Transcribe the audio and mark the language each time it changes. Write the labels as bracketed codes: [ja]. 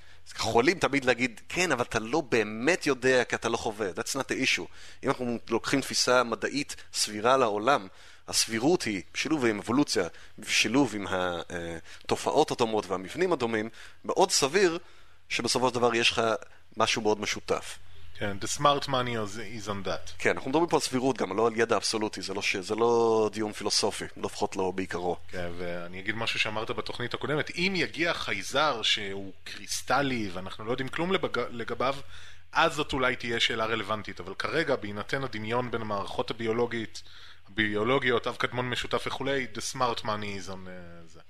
[he] אז יכולים תמיד להגיד, כן, אבל אתה לא באמת יודע כי אתה לא חווה. [en] That's not the issue. [he] אם אנחנו לוקחים תפיסה מדעית סבירה לעולם, הסבירות היא בשילוב עם אבולוציה, בשילוב עם התופעות הדומות והמבנים הדומים, מאוד סביר שבסופו של דבר יש לך משהו מאוד משותף. [en] כן, the smart money is on that. [he] כן, אנחנו מדברים פה על סבירות גם, לא על ידע אבסולוטי, זה לא דיון פילוסופי, לפחות לא בעיקרו. כן, ואני אגיד משהו שאמרת בתוכנית הקודמת, אם יגיע חייזר שהוא קריסטלי ואנחנו לא יודעים כלום לגביו, אז זאת אולי תהיה שאלה רלוונטית, אבל כרגע בהינתן הדמיון בין המערכות הביולוגית, ביולוגיות, אב קדמון משותף וכולי, [en] the smart money is on [he] זה.